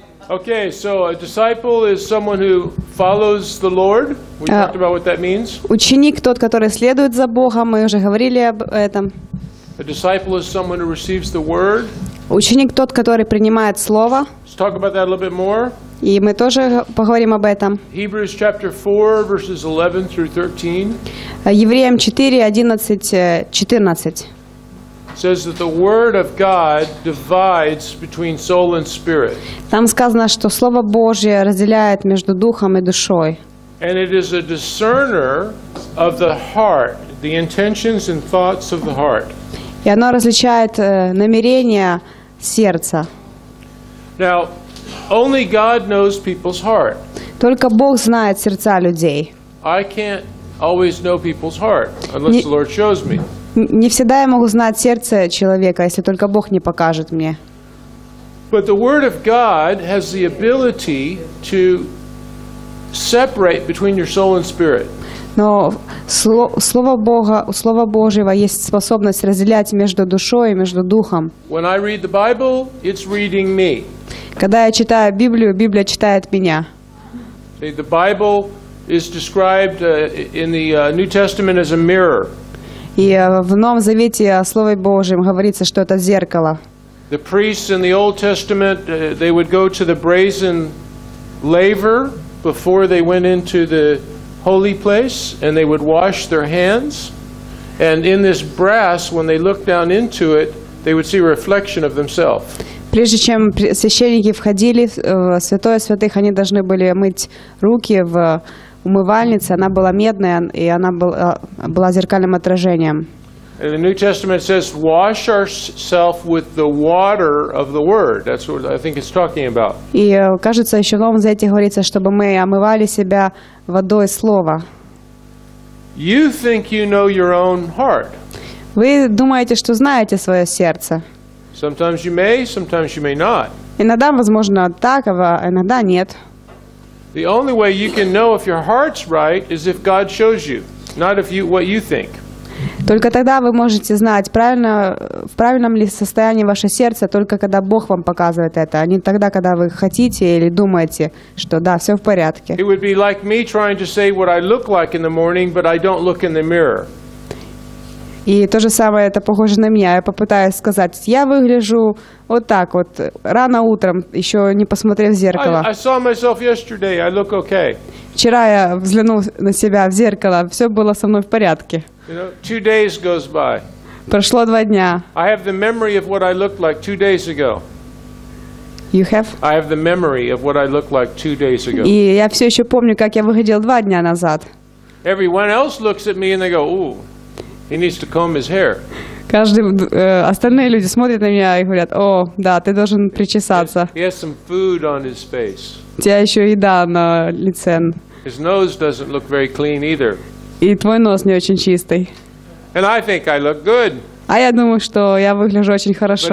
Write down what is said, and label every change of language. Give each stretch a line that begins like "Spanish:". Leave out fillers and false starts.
English: Okay, so a disciple is someone who follows the Lord. We talked about what that means.
Russian: Ученик тот, который следует за Богом. Мы уже говорили об этом.
English: A disciple is someone who receives the word.
Russian: Ученик тот, который принимает слово.
English: Let's talk about that a little bit more.
Russian: И мы тоже поговорим об этом.
English: Hebrews chapter 4, verses 11 through 13.
Russian: Евреям 4, 11, 14.
English: Says that the word of God divides between soul and spirit.
Russian: Там сказано, что слово Божье разделяет между духом и душой.
English: And it is a discerner of the heart, the intentions and thoughts of the heart.
Russian: И оно различает намерения сердца.
English: Now, only God knows people's heart.
Russian: Только Бог знает сердца людей.
English: I can't always know people's heart unless the Lord shows me.
Russian: Не всегда я могу знать сердце человека, если только Бог не покажет мне.
English: But the Word of God has the ability to separate between your soul and spirit.
Russian: Но слово Бога, у Слова Божьего есть способность разделять между душой и между духом.
English: When I read the Bible, it's reading me.
Russian: Когда я читаю Библию, Библия читает меня.
English: The Bible is described in the New Testament as a mirror.
Russian: И в Новом Завете о Слове Божьем говорится, что это зеркало.
English: The priests in the Old Testament, they would go to the brazen laver before they went into the holy place, and they would wash their hands, and in this brass, when they looked down into it, they would see a reflection of themselves.
Russian: Прежде чем священники входили в святое святых, они должны были мыть руки в умывальнице. Она была медная, и она была зеркальным отражением.
English: And the New Testament says, "Wash ourselves with the water of the Word." That's what I think it's talking about.
Russian: И кажется, еще в Новом Завете говорится, чтобы мы омывали себя водой слова.
English: You think you know your own heart.
Russian: Вы думаете, что знаете свое сердце.
English: Sometimes you may, sometimes you may not.
Russian: Иногда возможно так, а иногда нет.
English: The only way you can know if your heart's right is if God shows you, not if you what you think.
Russian: Только тогда вы можете знать, правильно, в правильном ли состоянии ваше сердце, только когда Бог вам показывает это, а не тогда, когда вы хотите или думаете, что да, все в порядке.
English: It would be like me trying to say what I look like in the morning, but I don't look in the mirror.
Russian: И то же самое, это похоже на меня. Я попытаюсь сказать, я выгляжу вот так вот, рано утром, еще не посмотрев в зеркало.
English: I saw myself yesterday, I look okay.
Russian: Вчера я взглянул на себя в зеркало, все было со мной в порядке.
English: You know, 2 days goes by.
Russian: Прошло 2 дня.
English: I have the memory of what I looked like 2 days ago. You have? I have the memory of what I looked like 2 days ago.
Russian: И я все еще помню, как я выглядел 2 дня назад.
English: Everyone else looks at me and they go, ooh, he needs to comb his hair.
Russian: Каждый, остальные люди смотрят на меня и говорят, о, да, ты должен причесаться.
English: He has some food on his face.
Russian: У тебя еще еда на лице.
English: His nose doesn't look very clean either.
Russian: И твой нос не очень чистый.
English: And I think I look good.
Russian: А я думаю, что я выгляжу очень хорошо.